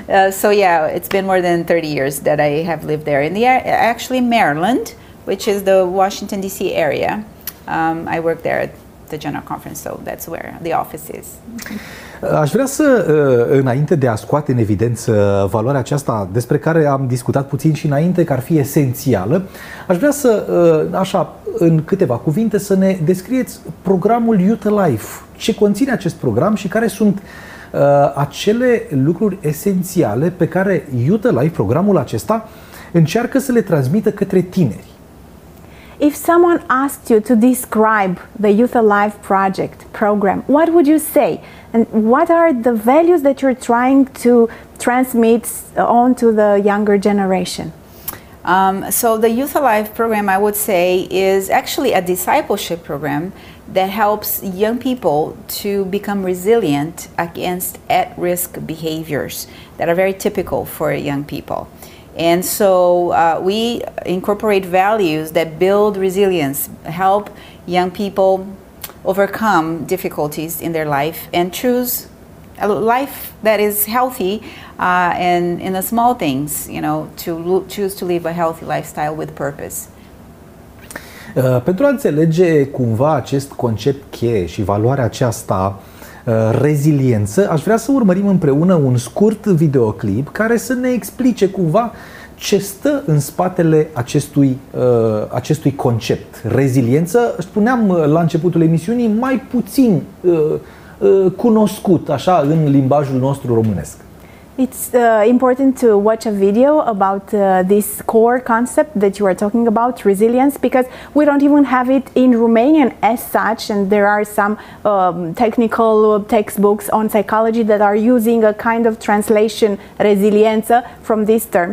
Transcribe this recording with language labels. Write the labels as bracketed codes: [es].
[en] So yeah, it's been more than 30 years that I have lived there. In the actually Maryland, which is the Washington, D.C. area, I work there the General Conference, so that's where the office is. [ro] Aș vrea să, înainte de a scoate în evidență valoarea aceasta, despre care am discutat puțin și înainte, că ar fi esențială, aș vrea să, așa, în câteva cuvinte, să ne descrieți programul Youth Life. Ce conține acest program și care sunt acele lucruri esențiale pe care Youth Life, programul acesta, încearcă să le transmită către tineri? [en] If someone asked you to describe the Youth Alive project program, what would you say? And what are the values that you're trying to transmit on to the younger generation? So the Youth Alive program, I would say, is actually a discipleship program that helps young people to become resilient against at-risk behaviors that are very typical for young people. And so we incorporate values that build resilience, help young people overcome difficulties in their life and choose a life that is healthy and in the small things, you know, to choose to live a healthy lifestyle with purpose. [ro] Pentru a înțelege cumva acest concept cheie și valoarea aceasta, reziliență, aș vrea să urmărim împreună un scurt videoclip care să ne explice cumva ce stă în spatele acestui concept. Reziliență, spuneam la începutul emisiunii, mai puțin cunoscut așa în limbajul nostru românesc. [en] It's important to watch a video about this core concept that you are talking about, resilience, because we don't even have it in Romanian as such, and there are some technical textbooks on psychology that are using a kind of translation, resiliență, from this term.